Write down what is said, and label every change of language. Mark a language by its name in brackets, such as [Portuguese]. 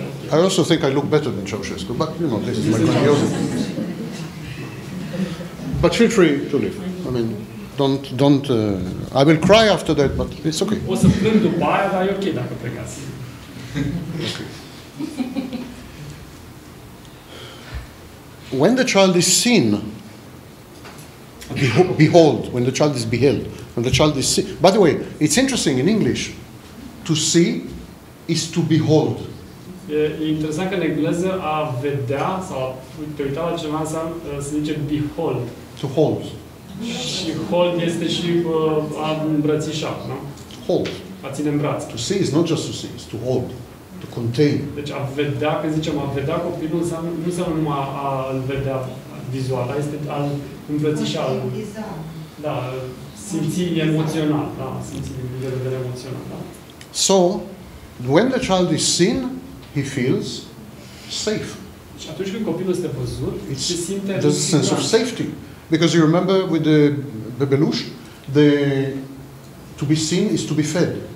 [English] I also think I look better than Ceaușescu, but, you know, this is my curiosity. But feel free to leave. I mean, I will cry after that, but it's okay. [Romanian] O să plâng după aia, dar e okay dacă plecați. [English] Okay. When the child is seen, behold, when the child is beheld, when the child is seen. By the way, it's interesting in English, to see is to behold. [Romanian] E interesant că în engleză a vedea sau te uita la ceva înseamnă se zice behold. [English] To hold. [Romanian] Și hold este și a îmbrățișa, nu? [English] Hold. [Romanian] A ține în braț. [English] To see is not just to see, it's to hold. To contain. [Romanian] Deci a vedea, când zicem a vedea copilul, nu înseamnă numai a îl vedea vizual, este a îl îmbrățișa. Da, simți emoțional, da, simți din vedere emoțional, da. [English] So, when the child is seen, he feels safe. [Romanian] Și atunci când copilul este văzut, se simte [English] the sense of safety. Because you remember with the bebeluș, the to be seen is to be fed.